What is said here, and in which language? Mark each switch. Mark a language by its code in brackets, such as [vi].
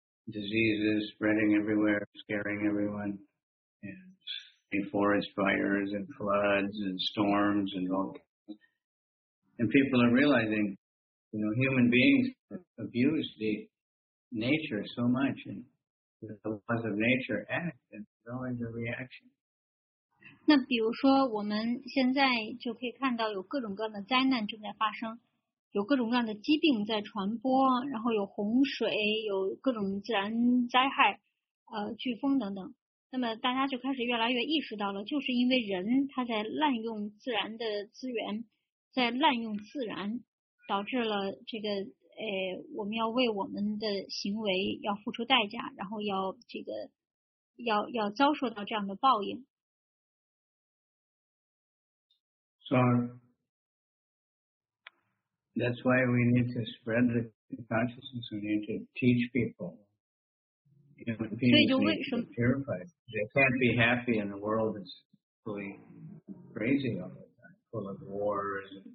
[en] Diseases spreading everywhere, scaring everyone, and forest fires and floods and storms and all kinds. And people are realizing, you know, human beings abuse the nature so much, and the laws of nature act, and there's always a reaction. [zh] 那比如说我们现在就可以看到有各种各样的灾难正在发生，有各种各样的疾病在传播，然后有洪水，有各种自然灾害，飓风等等，那么大家就开始越来越意识到了，就是因为人他在滥用自然的资源，在滥用自然，导致了这个我们要为我们的行为要付出代价，然后要这个要遭受到这样的报应。 [en] So that's why we need to spread the consciousness. We need to teach people. Human beings need to be purified. They can't be happy in a world that's really crazy all the time, full of wars.